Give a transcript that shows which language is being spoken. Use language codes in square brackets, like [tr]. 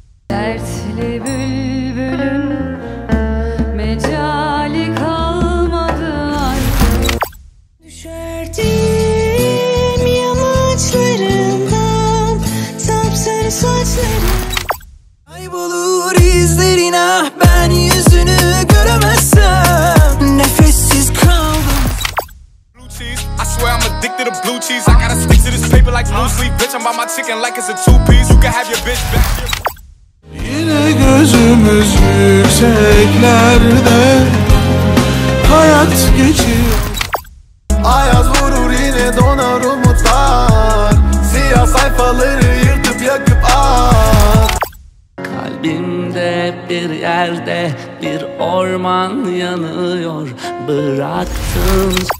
[tr] Dertli bülbülüm. Mecali kalmadı artık. Düşerdim yamaçlarından. Sapsarı saçlarım. Kaybolur izlerin ah ben yüzünü göremezsem. Nefessiz kaldım. [en] Blue cheese, I swear I'm addicted to blue cheese. I gotta stick to this paper like loose leaf. Bitch, I'm by my chicken like it's a two piece. You can have your bitch back. [tr] Yine gözümüz yükseklerde. Hayat geçiyor. Ayaz vurur yine donar umutlar. Siyah sayfaları yırtıp yakıp ah. Kalbimde bir yerde bir orman yanıyor bıraktın.